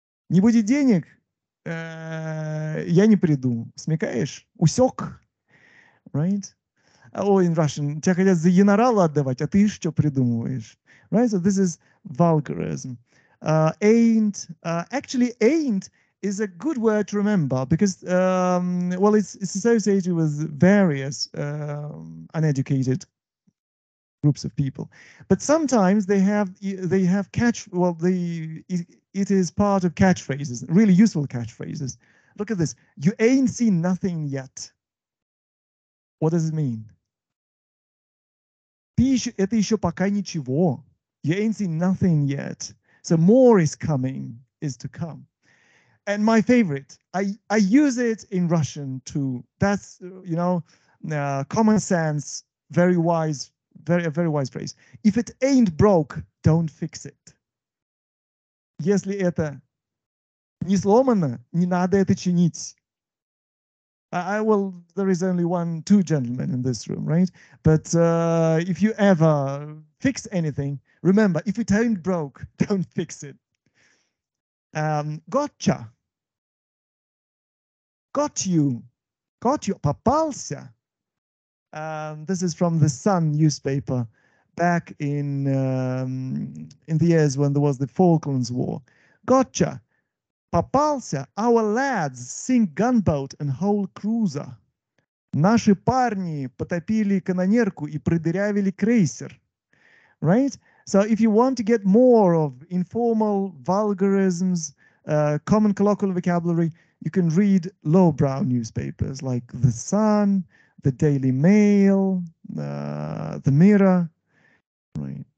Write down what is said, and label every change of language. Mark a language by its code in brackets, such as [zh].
[ru] Не будет денег, я не приду. Смекаешь? Усёк? [en] Right? Oh, in Russian, [ru] тебя хотят за генерала отдавать, а ты что придумываешь? [en] Right? So this is vulgarism. Ain't is a good word to remember because, it's associated with various uneducated groups of people. But sometimes it is part of catchphrases, really useful catchphrases. Look at this. You ain't seen nothing yet. What does it mean? [ru] Это еще пока ничего. [en] You ain't seen nothing yet. So more is coming, is to come. And my favorite, I use it in Russian too. That's, you know, common sense, very wise, very, very wise phrase. If it ain't broke, don't fix it. [ru] Если это не сломано, не надо это чинить. [en] There is only two gentlemen in this room, right? But if you ever fix anything, remember, if it ain't broke, don't fix it. Gotcha. Got you. Got you. [ru] Попался. [en] This is from the Sun newspaper back in the years when there was the Falklands War. Gotcha. [ru] Попался, [en] our lads sink gunboat and whole cruiser. [ru] Наши парни потопили канонерку и продырявили крейсер. [en] Right? So if you want to get more of informal vulgarisms, common colloquial vocabulary, you can read lowbrow newspapers like The Sun, The Daily Mail, The Mirror. Right?